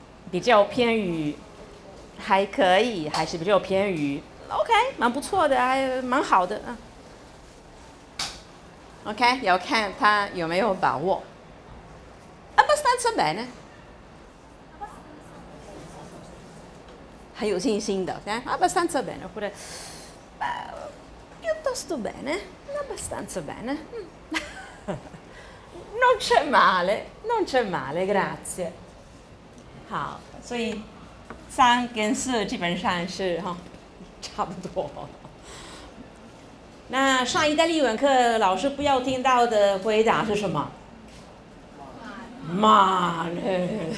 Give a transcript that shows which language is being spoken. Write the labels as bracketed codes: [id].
[zh] 比较偏于还可以，还是比较偏于 OK， 蛮不错的，还蛮好的。 OK， 要看他有没有把握。 [it] Abbastanza bene， [zh] 很有信心的。 [it] Abbastanza bene， [zh] 或者 [it] piuttosto bene， abbastanza bene， non c'è male， non c'è male， grazie。 [zh] 好。所以三跟四基本上是差不多。那上意大利文课老师不要听到的回答是什么？妈呢？